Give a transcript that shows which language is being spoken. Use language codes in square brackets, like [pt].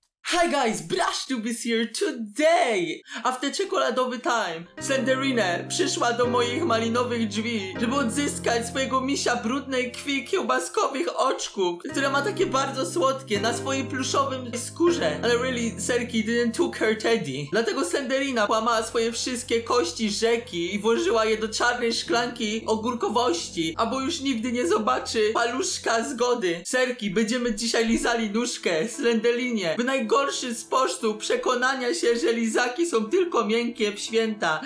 [en] Hi guys, Brush Tube is here today! After [pl] czekoladowy [en] time, [pl] Slenderina przyszła do moich malinowych drzwi, żeby odzyskać swojego misia brudnej krwi kiełbaskowych oczków, które ma takie bardzo słodkie na swojej pluszowym skórze. Ale [en] really, Serki didn't took her teddy. [pl] Dlatego Slenderina połamała swoje wszystkie kości rzeki i włożyła je do czarnej szklanki ogórkowości, albo już nigdy nie zobaczy paluszka zgody. Serki, będziemy dzisiaj lizali nóżkę Slenderinie, by najgorszy sposób przekonania się, że lizaki są tylko miękkie w święta.